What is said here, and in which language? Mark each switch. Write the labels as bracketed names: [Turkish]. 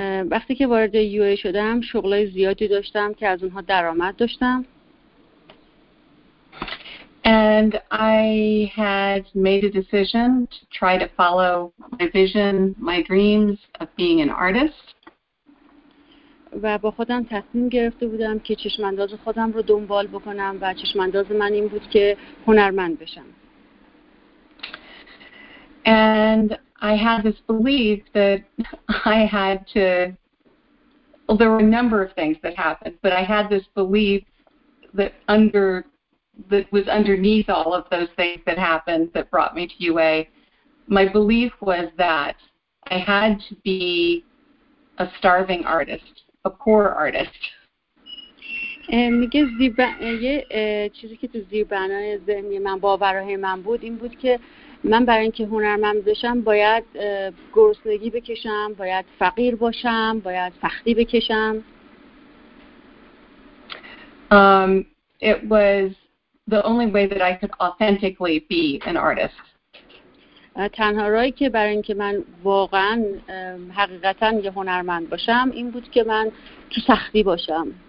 [Persian] وقتی که وارد UA شدم، شغلای زیادی داشتم که از اونها درآمد داشتم. [English] And I had made a decision to try to follow my vision, my dreams of being an artist. و با خودم تصمیم گرفته بودم که چشمانداز خودم رو دنبال بکنم و چشمانداز من این بود که هنرمند بشم. And I had this belief that I had to, well, there were a number of things that happened, but I had this belief that under, that was underneath all of those things that happened that brought me to UA. My belief was that I had to be a starving artist, a poor artist. [Persian] میگه زیب... یه چیزی که تو زیربنای ذهنی من باورهای من بود این بود که من برای اینکه هنرمند بشم باید گرسنگی بکشم، باید فقیر باشم، باید سختی بکشم. [English] It was the only way that I could authentically be an artist. [Persian] تنها راهی که برای اینکه من واقعا حقیقتا یه هنرمند باشم این بود که من تو سختی باشم.